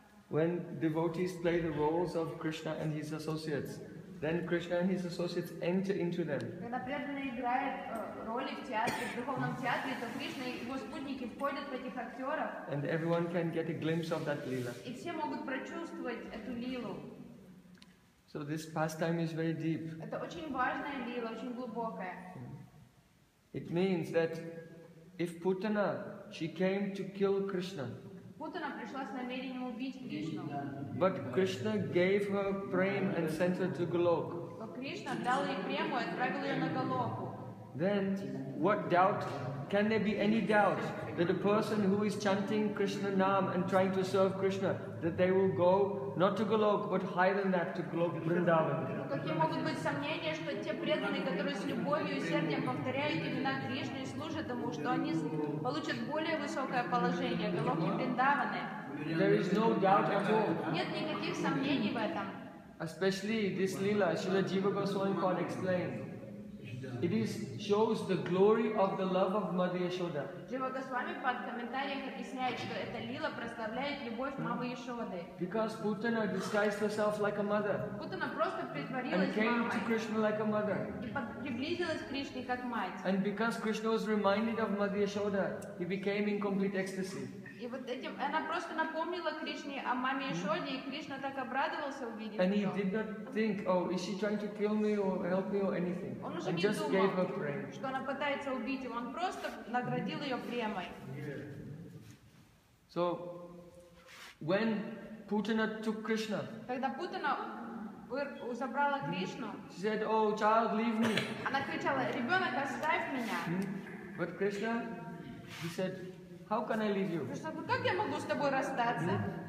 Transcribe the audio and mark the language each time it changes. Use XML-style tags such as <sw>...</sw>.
<en>When devotees play the roles of Krishna and his associates, then Krishna and his associates enter into them.</en> <ru>Когда преданный играет роли в театре, в духовном театре, то Кришна и его спутники входят в этих актеров.</ru> <en>And everyone can get a glimpse of that lila.</en> <ru>И все могут прочувствовать эту лилу.</ru> <en>So this pastime is very deep.</en> <ru>Это очень важная лила, очень глубокая.</ru> <en>It means that if Putana, she came to kill Krishna.</en> <ru>Путана пришла с намерением убить Кришну.</ru> <en>But Krishna gave her prem and sent her to Golok.</en> <ru>Но Кришна дал ей прему и отправил ее на Голоку.</ru> <en>Then, what doubt? Can there be any doubt that a person who is chanting Krishna Nam and trying to serve Krishna, that they will go not to Golok but higher than that, to Golok Vrindavan?</en> <ru>Какие могут быть сомнения, что те преданные, которые с любовью и сердцем повторяют имена Кришны и служат ему, что они получат более высокое положение, Голок Вриндаваны?</ru> <en>There is no doubt at all.</en> <ru>Нет никаких сомнений в этом.</ru> <en>Especially this lila, Srila Jiva Goswami Pada explained. It is shows the glory of the love of Mother Yashoda.</en> <ru>Jiva Goswami Pada комментариях объясняет, что эта лила прославляет любовь мамы Ешоды.</ru> <en>Because Putana disguised herself like a mother.</en> <ru>Путана просто притворилась мамой.</ru> <en>And came to Krishna like a mother.</en> <ru>И приблизилась к Кришне как мать.</ru> <en>And because Krishna was reminded of Mother Yashoda, he became in complete ecstasy.</en> <ru>И вот этим она просто напомнила Кришне о маме Ешоде, и Кришна так обрадовался, увидев её.</ru> <en>And he did not think, oh, is she trying to kill me or help me or anything?</en> <ru>Он уже не думал, что она пытается убить его. Он просто наградил её премой.</ru> <en>So, when Putana took Krishna,</en> <ru>когда Путана забрала Кришну,</ru> <en>she said, oh, child, leave me.</en> <ru>Она кричала, ребёнок, оставь меня.</ru> <en>But Krishna, he said, how can I leave you?</en> <ru>Как я могу с тобой расстаться?</ru>